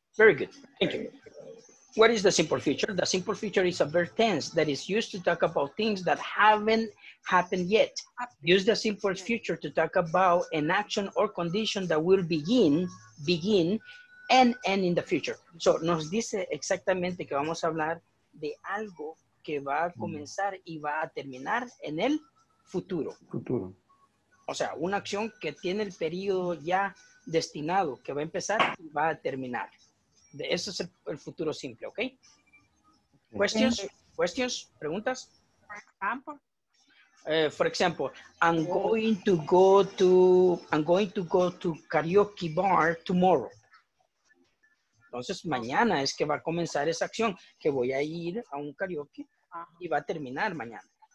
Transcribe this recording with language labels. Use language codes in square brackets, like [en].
[en] Very good. Thank you. What is the simple future? The simple future is a verb tense that is used to talk about things that haven't happened yet. Use the simple future to talk about an action or condition that will begin, and end in the future. [es] So, nos dice exactamente que vamos a hablar de algo que va a comenzar y va a terminar en el futuro. Futuro. O sea, una acción que tiene el periodo ya destinado, que va a empezar y va a terminar. De eso es el futuro simple, ¿ok? [en] ¿Questions? [es] ¿Preguntas? [en] For example, I'm going to go to karaoke bar tomorrow. [es] Entonces, mañana es que va a comenzar esa acción, que voy a ir a un karaoke y va a terminar mañana.